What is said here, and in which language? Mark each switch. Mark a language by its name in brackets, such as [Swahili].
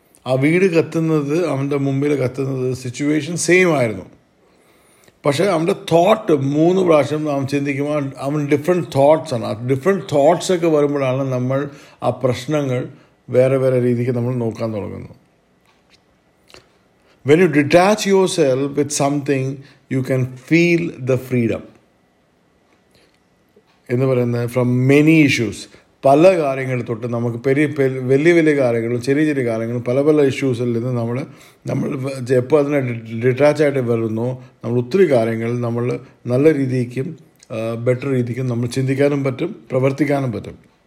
[Malayalam] ആ വീട് കത്തുന്നത് അവൻ്റെ മുമ്പിൽ കത്തുന്നത് സിറ്റുവേഷൻ സെയിം ആയിരുന്നു. പക്ഷേ അവൻ്റെ തോട്ട് മൂന്ന് പ്രാവശ്യം അവൻ ചിന്തിക്കുമ്പോൾ അവൻ ഡിഫറെൻറ്റ് തോട്ട്സ് ആണ്. ആ ഡിഫറെൻറ്റ് തോട്ട്സ് ഒക്കെ വരുമ്പോഴാണ് നമ്മൾ ആ പ്രശ്നങ്ങൾ വേറെ വേറെ രീതിക്ക് നമ്മൾ നോക്കാൻ തുടങ്ങുന്നത്. [English] When you detach yourself with something, you can feel the freedom. [Malayalam] എന്ന് പറയുന്നത് [English] from many issues, [Malayalam] പല കാര്യങ്ങൾ തൊട്ട് നമുക്ക് പെരിയ വലിയ വലിയ കാര്യങ്ങളും ചെറിയ ചെറിയ കാര്യങ്ങളും പല പല ഇഷ്യൂസിൽ നിന്ന് നമ്മൾ എപ്പോൾ അതിനെ ഡിറ്റാച്ചായിട്ട് വരുന്നോ, നമ്മൾ ഒത്തിരി കാര്യങ്ങൾ നമ്മൾ നല്ല രീതിക്കും ബെറ്റർ രീതിക്കും നമ്മൾ ചിന്തിക്കാനും പറ്റും, പ്രവർത്തിക്കാനും പറ്റും.